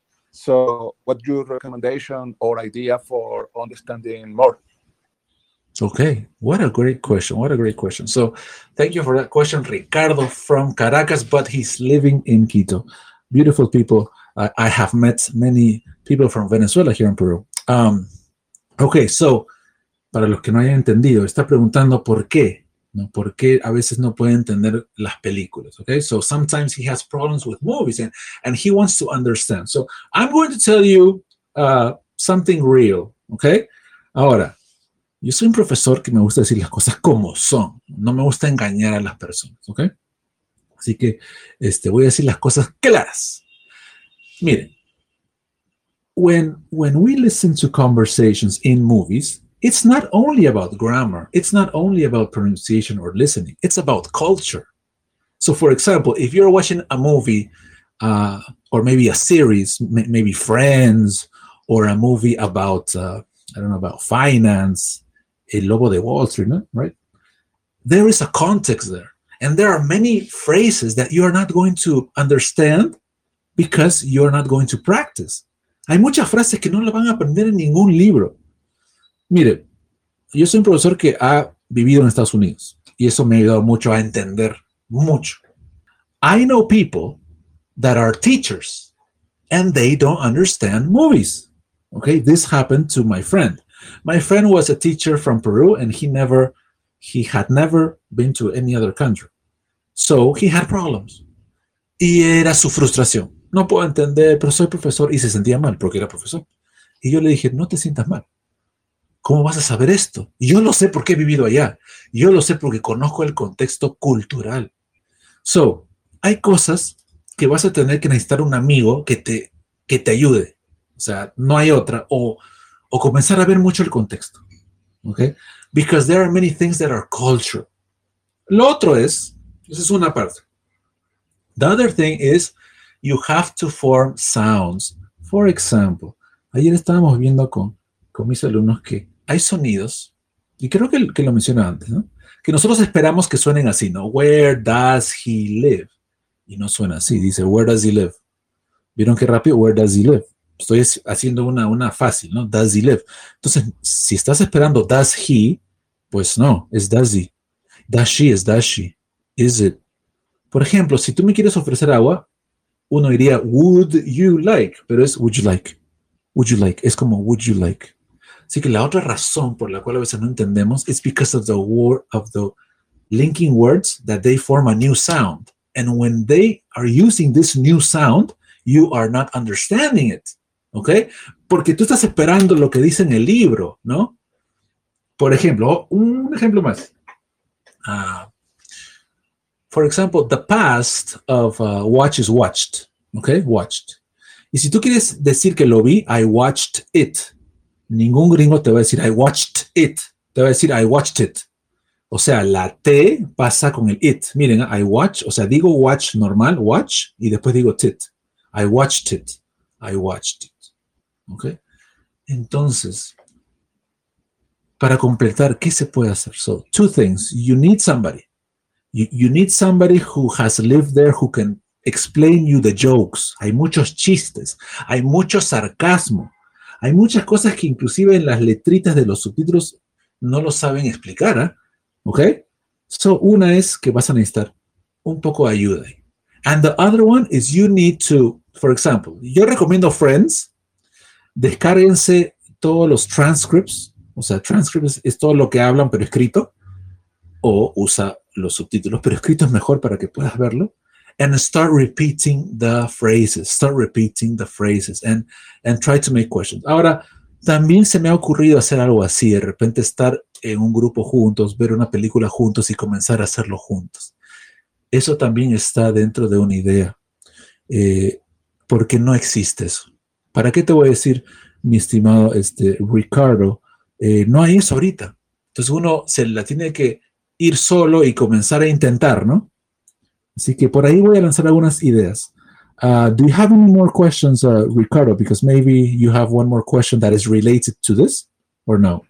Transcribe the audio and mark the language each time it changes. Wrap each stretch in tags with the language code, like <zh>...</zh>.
<en>So, what's your recommendation or idea for understanding more? Okay, what a great question. What a great question. So, thank you for that question, Ricardo from Caracas, but he's living in Quito. Beautiful people. I have met many people from Venezuela here in Peru.</en> <es>Okay, so, para los que no hayan entendido, está preguntando por qué, ¿no? Por qué a veces no puede entender las películas, okay?</es> <en>So, sometimes he has problems with movies and he wants to understand. So, I'm going to tell you something real, okay?</en> <es>Ahora, yo soy un profesor que me gusta decir las cosas como son. No me gusta engañar a las personas, ¿ok? Así que voy a decir las cosas claras. Miren,</es> <en>when we listen to conversations in movies, it's not only about grammar. It's not only about pronunciation or listening. It's about culture. So, for example, if you're watching a movie or maybe a series, maybe Friends or a movie about, about finance, El Lobo de Wall Street, no? Right? There is a context there. And there are many phrases that you are not going to understand because you're not going to practice.</en> <es>Hay muchas frases que no la van a aprender en ningún libro. Mire, yo soy un profesor que ha vivido en Estados Unidos y eso me ha ayudado mucho a entender mucho.</es> <en>I know people that are teachers and they don't understand movies. Okay, this happened to my friend. My friend was a teacher from Peru, and he had never been to any other country. So he had problems.</en> <es>Y era su frustración. No puedo entender, pero soy profesor. Y se sentía mal porque era profesor. Y yo le dije, no te sientas mal. ¿Cómo vas a saber esto? Y yo lo sé porque he vivido allá. Yo lo sé porque conozco el contexto cultural. So, hay cosas que vas a tener que necesitar un amigo que te ayude. O sea, no hay otra. O comenzar a ver mucho el contexto, okay?</es> <en>Because there are many things that are cultural.</en> <es>Lo otro es, esa es una parte.</es> <en>The other thing is, you have to form sounds. For example,</en> <es>ayer estábamos viendo con mis alumnos que hay sonidos, y creo que lo mencioné antes, ¿no? Que nosotros esperamos que suenen así, ¿no?</es> <en>Where does he live?</en> <es>Y no suena así, dice,</es> <en>where does he live?</en> <es>¿Vieron qué rápido?</es> <en>Where does he live?</en> <es>Estoy haciendo una fácil, ¿no?</es> <en>Does he live?</en> <es>Entonces, si estás esperando does he, pues no, es does he.</es> <en>Does she is does she. Is it?</en> <es>Por ejemplo, si tú me quieres ofrecer agua, uno diría</es> <en>would you like,</en> <es>pero es would you like.</es> <en>Would you like,</en> <es>es como</es> <en>would you like.</en> <es>Así que la otra razón por la cual a veces no entendemos</es> <en>is because of the word of the linking words that they form a new sound. And when they are using this new sound, you are not understanding it. Okay?</en> <es>Porque tú estás esperando lo que dice en el libro, ¿no? Por ejemplo, un ejemplo más.</es> <en>For example, the past of watch is watched.</en> <es>Okay? Watched. Y si tú quieres decir que lo vi,</es> <en>I watched it.</en> <es>Ningún gringo te va a decir</es> <en>I watched it.</en> <es>Te va a decir I watched it. O sea, la T pasa con el it. Miren, I watch, o sea, digo watch normal, watch, y después digo tit.</es> <en>I watched it. I watched it.</en> <es>¿Ok? Entonces, para completar, ¿qué se puede hacer?</es> <en>So, two things. You need somebody. You need somebody who has lived there who can explain you the jokes.</en> <es>Hay muchos chistes. Hay mucho sarcasmo. Hay muchas cosas que inclusive en las letritas de los subtítulos no lo saben explicar, ¿eh? ¿Ok? So, una es que vas a necesitar un poco de ayuda.</es> <en>And the other one is you need to, for example,</en> <es>yo recomiendo Friends. Descárguense todos los transcripts, o sea, transcripts es todo lo que hablan pero escrito, o usa los subtítulos, pero escrito es mejor para que puedas verlo,</es> <en>and start repeating the phrases, and try to make questions.</en> <es>Ahora, También se me ha ocurrido hacer algo así, de repente estar en un grupo juntos, ver una película juntos y comenzar a hacerlo juntos. Eso también está dentro de una idea, porque no existe eso. ¿Para qué te voy a decir, mi estimado Ricardo? No hay eso ahorita. Entonces uno se la tiene que ir solo y comenzar a intentar, ¿no? Así que por ahí voy a lanzar algunas ideas.</es> <en>Do you have any more questions, Ricardo? Because maybe you have one more question that is related to this, or no?</en>